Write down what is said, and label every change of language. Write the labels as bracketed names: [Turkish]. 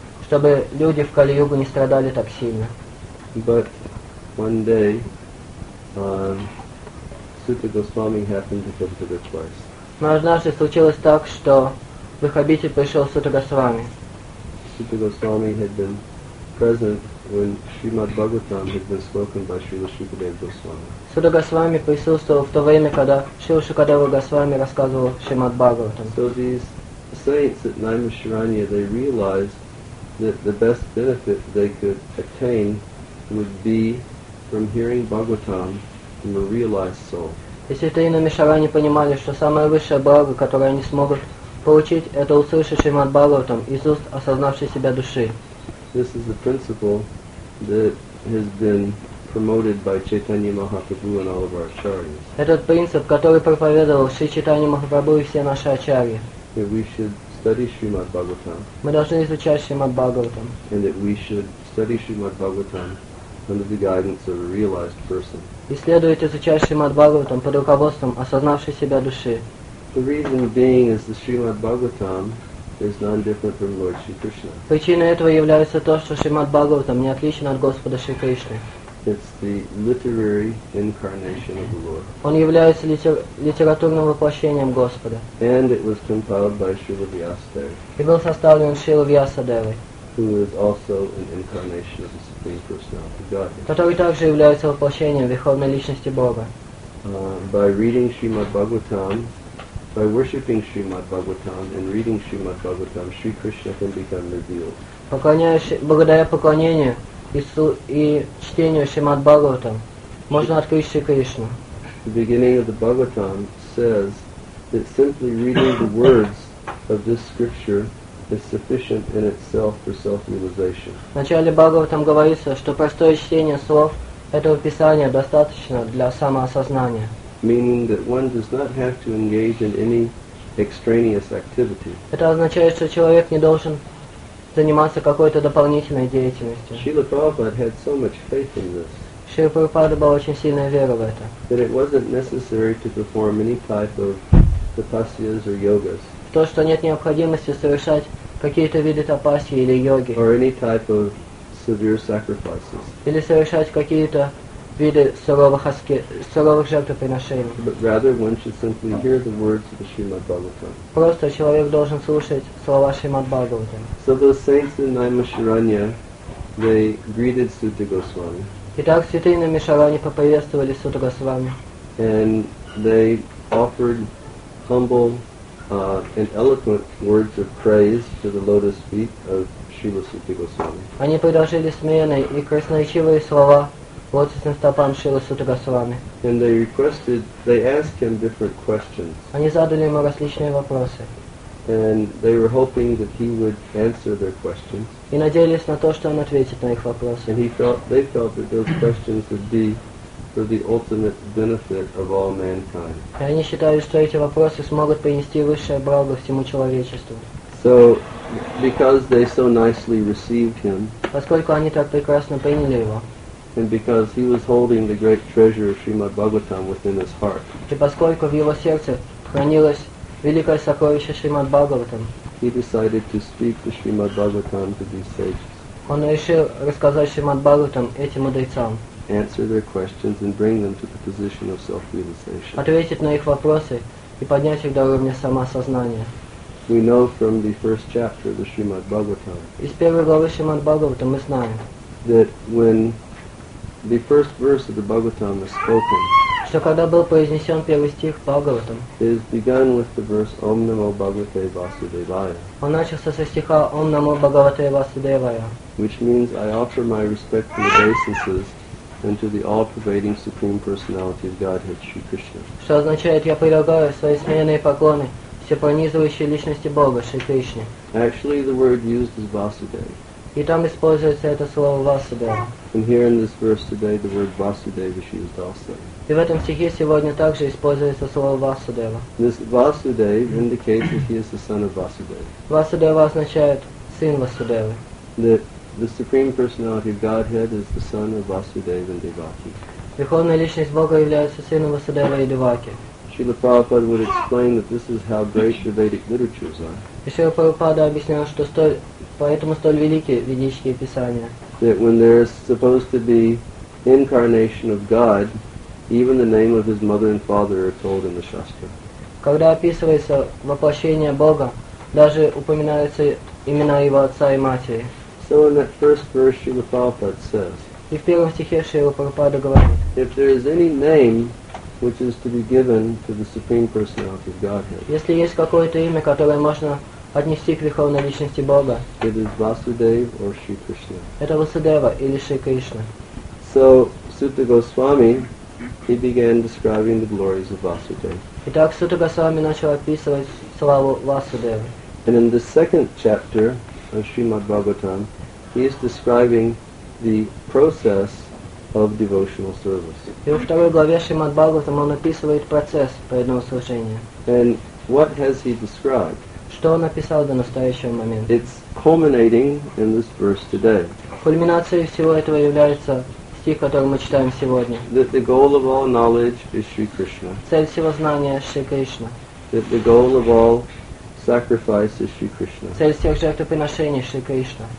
[Russian] чтобы люди в Кали-Югу не страдали так сильно. [English] But one day, Sutta Goswami happened to come to the place. [Russian] Но однажды случилось так, что в их обитель пришел Сутта Госвами. [English] Sutta Goswami had been present when Srimad Bhagavatam had been spoken by Srila Shukadeva Goswami. [Russian] Сутта Госвами присутствовал в то время, когда Шрила Шукадева Госвами рассказывал Шримад Бхагаватам. [English] So these saints at Naimisharanya, they realized that the best benefit they could attain would be from hearing Bhagavatam from a realized soul. [Russian] И святые Наймишарани понимали, что самое высшее благо, которое они смогут получить, это услышать Шримад Бхагаватам из уст осознавшей себя души. [English] This is the principle that has been promoted by Chaitanya Mahaprabhu and all of our acharyas. [Russian] Этот принцип, который проповедовал Шри Чайтанья Махапрабху и все наши ачарьи. [English] That we should study Srimad Bhagavatam. [Russian] Мы должны изучать Шримад Бхагаватам. [English] And that we should study Srimad Bhagavatam under the guidance of a realized person. [Russian] И следует изучать Шримад Бхагаватам под руководством осознавшей себя души. [English] The reason being is the Srimad Bhagavatam is non-different from Lord Shri Krishna. [Russian] Причиной этого является то, что Шримад Бхагаватам не отличен от Господа Шри Кришны. [English] It's the literary incarnation of the Lord. [Russian] Он является литературным воплощением Господа. [English] And it was compiled by Srila Vyasadeva. [Russian] И был составлен Шрила Вьясадевой. [English] Who is also an incarnation of the Supreme Personality of Godhead. [Russian] Который также является воплощением Верховной Личности Бога. [English] By reading Srimad Bhagavatam, by worshipping Srimad Bhagavatam and reading Srimad Bhagavatam, Shri Krishna can become revealed. [Russian] Благодаря поклонению и чтению Шримад Бхагаватам можно открыть Шри Кришну. [English] The beginning of the Bhagavatam says that simply reading the words of this scripture is sufficient in itself for self-realization. [Russian] В начале Бхагаватам говорится, что простое чтение слов этого писания достаточно для самоосознания. [English] Meaning that one does not have to engage in any extraneous activity. [Russian] Это означает, что человек не должен заниматься какой-то дополнительной деятельностью. [English] Srila Prabhupada had so much faith in this. [Russian] Шрила Прабхупада была очень сильная вера в это. [English] That it wasn't necessary to perform any type of tapasyas or yogas. [Russian] То, что нет необходимости совершать какие-то виды тапасьи или йоги. [English] Or any type of severe sacrifices. [Russian] Или совершать какие-то виды суровых жертвоприношений. [English] But rather one should simply hear the words of the Srimad Bhagavatam. [Russian] Просто человек должен слушать слова Шримад Бхагаватам. [English] So those saints in Naimisharanya, they greeted Sutta Goswami. [Russian] Итак, святые Наймишарани поприветствовали Сутта Госвами. [English] And they offered humble and eloquent words of praise to the lotus feet of Srila Sutta Goswami. [Russian] Они предложили смиренные и красноречивые слова лотосным стопам Шрилы Сутты Госвами. [English] And they requested, they asked him different questions. [Russian] Они задали ему различные вопросы. [English] And they were hoping that he would answer their questions. [Russian] И надеялись на то, что он ответит на их вопросы. [English] And they felt that those questions would be for the ultimate benefit of all mankind. [Russian] И они считали, что эти вопросы смогут принести высшее благо всему человечеству. [English] So, because they so nicely received him, [Russian] поскольку они так прекрасно приняли его, [English] and because he was holding the great treasure of Srimad Bhagavatam within his heart, [Russian] и поскольку в его сердце хранилось великое сокровище Шримад Бхагаватам, [English] he decided to speak to Srimad Bhagavatam to these sages. [Russian] Он решил рассказать Шримад Бхагаватам этим мудрецам. [English] Answer their questions and bring them to the position of self-realization. [Russian] Ответить на их вопросы и поднять их до уровня самосознания. [English] We know from the first chapter of the Srimad Bhagavatam. [Russian] Из первой главы Шримад Бхагаватам мы знаем, [English] that when the first verse of the Bhagavatam is spoken, [Russian] что когда был произнесен первый стих Бхагаватам, [English] it is begun with the verse [Sanskrit] Om Namo Bhagavate Vasudevaya. [Russian] Он начался со стиха [Sanskrit] Om Namo Bhagavate Vasudevaya. [English] Which means I offer my respectful obeisances unto the all-pervading Supreme Personality of Godhead, Sri Krishna. [Russian] Что означает, я предлагаю свои смиренные поклоны всепронизывающей личности Бога, Шри Кришне. [English] Actually, the word used is Vasudeva. [Russian] И там используется это слово Васудева. [English] And here in this verse today, the word Vasudeva is used also. [Russian] И в этом стихе сегодня также используется слово Васудева. [English] This Vasudeva indicates that he is the son of Vasudeva. [Russian] Васудева означает сын Васудевы. [English] The Supreme Personality of Godhead is the son of Vasudeva and Devaki. [Russian] Верховная Личность Бога является сыном Васудева и Деваки. [English] Srila Prabhupada would explain that this is how great the Vedic literatures are. [Russian] И Srila Prabhupada объяснял, что столь Поэтому столь велики ведические писания. [English] That when there is supposed to be incarnation of God, even the name of his mother and father are told in the Shastra. [Russian] Когда описывается воплощение Бога, даже упоминаются имена его отца и матери. [English] So in that first verse, Srila Prabhupada says, [Russian] и в первом стихе Шрила Прабхупада говорит, [English] if there is any name which is to be given to the Supreme Personality of Godhead, [Russian] если есть какое-то имя, которое можно отнести к Верховной Личности Бога, [English] it is Vasudeva or Shri Krishna. [Russian] Это Васудева или Шри Кришна. [English] So, Sutta Goswami, he began describing the glories of Vasudeva. [Russian] Итак, Сута Госвами начал описывать славу Васудевы. [English] And in the second chapter of Srimad Bhagavatam, he is describing the process of devotional service. [Russian] И во второй главе Шримад Бхагаватам он описывает процесс преданного служения. [English] And what has he described? [Russian] Что он описал до настоящего момента? [English] It's culminating in this verse today. [Russian] Кульминацией всего этого является стих, который мы читаем сегодня. [English] That the goal of all knowledge is Shri Krishna. [Russian] Цель всего знания – Шри Кришна. [English] That the goal of all sacrifice is Shri Krishna. [Russian] Цель всех жертвоприношений – Шри Кришна.